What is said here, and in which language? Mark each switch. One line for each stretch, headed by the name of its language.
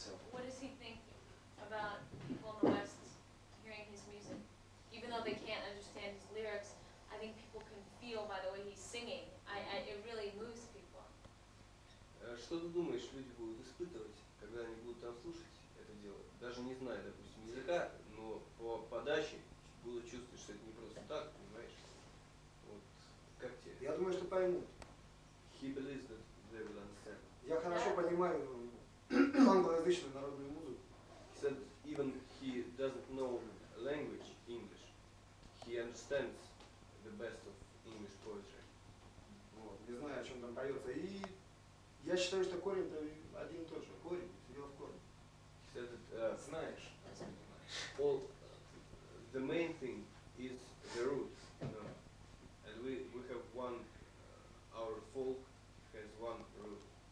English: What does he think about people in the West hearing his music? Even though they can't understand his lyrics, I think people can feel by the way he's singing. It really moves people.
Russian: Что ты думаешь, люди будут испытывать, когда они будут там слушать это дело? Даже не зная, допустим, языка, но по подаче буду чувствовать, что это не просто так, понимаешь? Вот как тебе? Я думаю, что поймут.
English: He believes that they will understand.
Russian: Я хорошо понимаю англоязычную народную музыку.
English: He said even he doesn't know language English, he understands the best of English poetry.
Russian: Вот, не знаю, о чем там поется. И я считаю, что корень -то один и тот же. Корень, все дело в корне.
English: He said that,
Russian: знаешь.
English: All the main thing is the roots, you know? And we have one, our folk has one root.